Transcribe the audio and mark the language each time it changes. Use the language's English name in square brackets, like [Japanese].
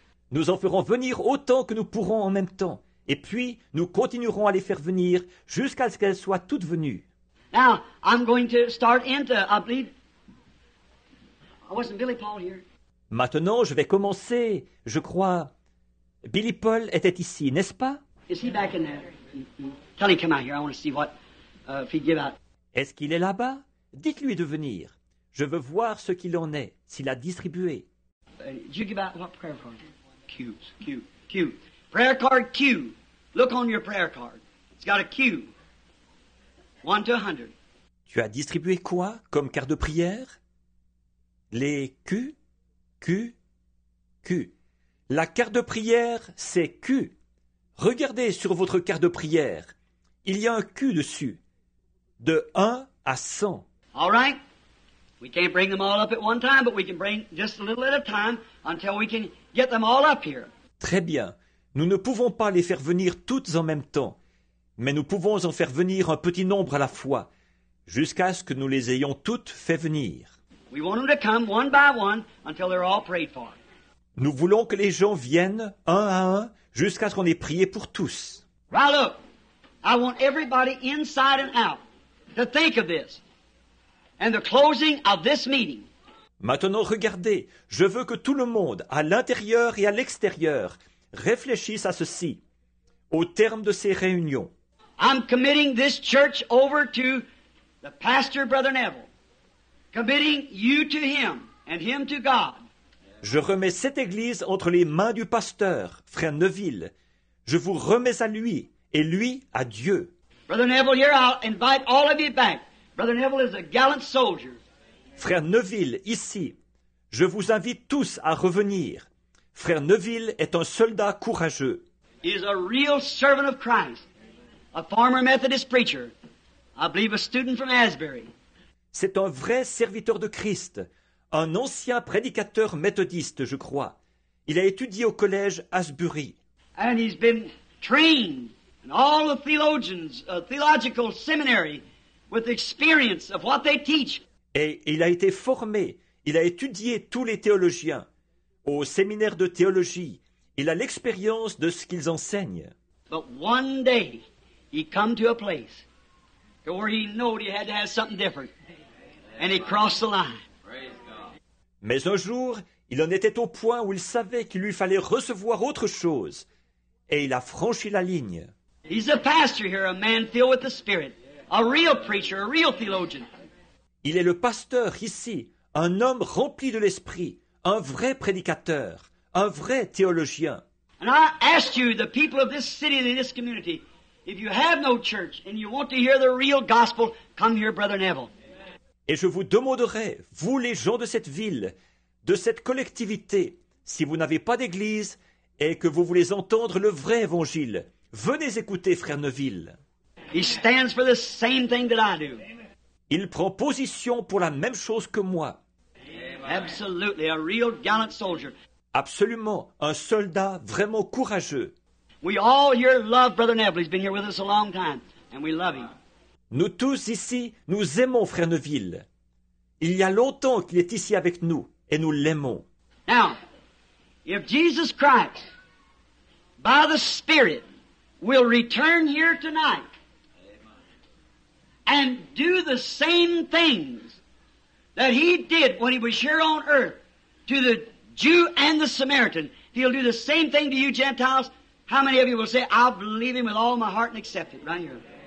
[French] Nous en ferons venir autant que nous pourrons en même temps. Et puis, nous continuerons à les faire venir jusqu'à ce qu'elles soient toutes venues. [English] Now, I'm going to start into, I believe, I wasn't Billy Paul here. [French] Maintenant, je vais commencer, je crois, Billy Paul était ici, n'est-ce pas? [English] Is he back in there? Tell him to come out here, I want to see what, if he'd give out. [French] Est-ce qu'il est là-bas? Dites-lui de venir. Je veux voir ce qu'il en est, s'il a distribué. [English] Did you give out what prayer card? Q. Prayer card Q. Look on your prayer card. It's got a Q. 1 to 100. [French] Tu as distribué quoi comme carte de prière? Les Q? Q, Q. La carte de prière, c'est Q. Regardez sur votre carte de prière. Il y a un Q dessus. De 1 à 100. [English] All right. We can't bring them all up at one time, but we can bring just a little at a time until we can get them all up here. [French] Très bien. Nous ne pouvons pas les faire venir toutes en même temps, mais nous pouvons en faire venir un petit nombre à la fois, jusqu'à ce que nous les ayons toutes fait venir. [English] We want them to come one by one until they're all prayed for. [French] Nous voulons que les gens viennent un à un jusqu'à ce qu'on ait prié pour tous. [English] Right, look, I want everybody inside and out to think of this and the closing of this meeting. [French] Maintenant, regardez, je veux que tout le monde, à l'intérieur et à l'extérieur, réfléchisse à ceci, au terme de ces réunions. [English] I'm committing this church over to the pastor, Brother Neville. Committing you to him and him to God. [French] Je remets cette église entre les mains du pasteur, frère Neville. Je vous remets à lui et lui à Dieu. [English] Brother Neville, here I'll invite all of you back. Brother Neville is a gallant soldier. [French] Frère Neville, ici, je vous invite tous à revenir. Frère Neville est un soldat courageux. [English] He is a real servant of Christ, a former Methodist preacher, I believe a student from Asbury. [French] C'est un vrai serviteur de Christ, un ancien prédicateur méthodiste, je crois. Il a étudié au collège Asbury. [English] And he's been trained in all the theologians, a theological seminary, with experience of what they teach. [French] Et il a été formé, il a étudié tous les théologiens. Au séminaire de théologie, il a l'expérience de ce qu'ils enseignent. [English] But one day, he come to a place where he knew he had to have something different. And he crossed the line. [French] Mais un jour, il en était au point où il savait qu'il lui fallait recevoir autre chose. Et il a franchi la ligne. [English] He's a pastor here, a man filled with the Spirit, a real preacher, a real theologian. [French] Il est le pasteur ici, un homme rempli de l'Esprit, un vrai prédicateur, un vrai théologien. [English] And I ask you, the people of this city and this community, if you have no church and you want to hear the real gospel, come here, Brother Neville. [French] Et je vous demanderai, vous les gens de cette ville, de cette collectivité, si vous n'avez pas d'église et que vous voulez entendre le vrai évangile, venez écouter Frère Neville. [English] He stands for the same thing that I do. [French] Il prend position pour la même chose que moi. [English] Absolutely, a real gallant soldier. [French] Absolument, un soldat vraiment courageux. [English] We all here love Brother Neville. He's been here with us a long time, and we love him. [French] Nous tous ici, nous aimons Frère Neville. Il y a longtemps qu'il est ici avec nous, et nous l'aimons. [English] Now, if Jesus Christ, by the Spirit, will return here tonight and do the same things that he did when he was here on earth to the Jew and the Samaritan, if he'll do the same thing to you Gentiles, how many of you will say, I believe him with all my heart and accept it right here?